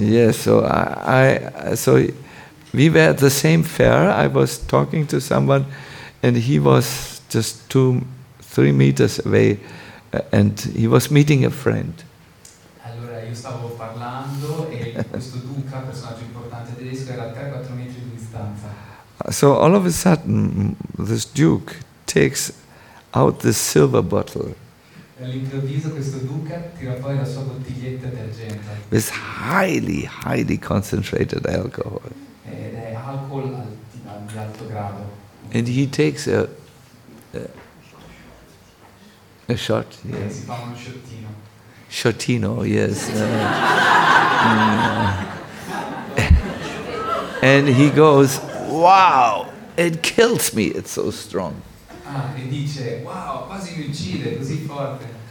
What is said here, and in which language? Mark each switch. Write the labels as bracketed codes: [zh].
[en] Yes, so we were at the same fair. I was talking to someone, and he was just 2-3 meters away, and he was meeting a friend. [it] Allora io stavo parlando e questo duca, personaggio importante tedesco, era a 3-4 metri di distanza. [en] So all of a sudden, this duke takes out the silver bottle. [it] All'improvviso questo duca tira fuori la sua bottiglietta d'argento. [en] This highly, highly concentrated alcohol. [it] Ed è alcol di alto grado. [en] And he takes a shot. Yes. [it] Si fa uno shottino. Shottino, yes. [en] And he goes, wow, it kills me, it's so strong. [it] Ah, e dice, wow, quasi mi uccide, così forte.